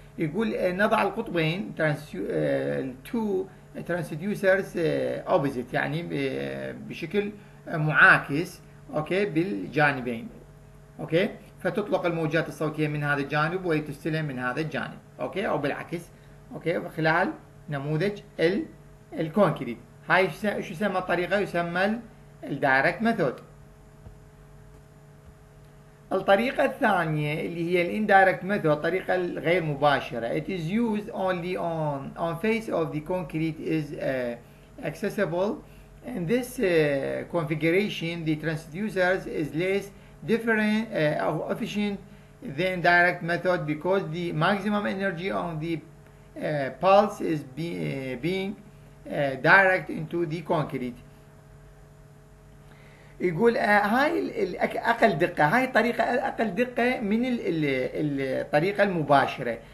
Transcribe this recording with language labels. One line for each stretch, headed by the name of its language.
Arabic: يقول نضع القطبين تو ترانسديوسرز اوبزيت، يعني بشكل معاكس، اوكي، بالجانبين، اوكي، فتطلق الموجات الصوتيه من هذا الجانب وتستلم من هذا الجانب، اوكي، او بالعكس، اوكي، خلال نموذج الكونكريت. هاي شو يسمى الطريقة؟ يسمى الدايركت ميثود. الطريقة الثانية اللي هي الاندايركت ميثود، الطريقة الغير مباشرة.
English: It is used only on face of the concrete is accessible. In this configuration the transducers is less different efficient than direct method because the maximum energy on the pulse is being direct into the concrete.
Arabic: يقول هاي اقل دقة، هاي طريقة اقل دقة من الطريقة المباشرة.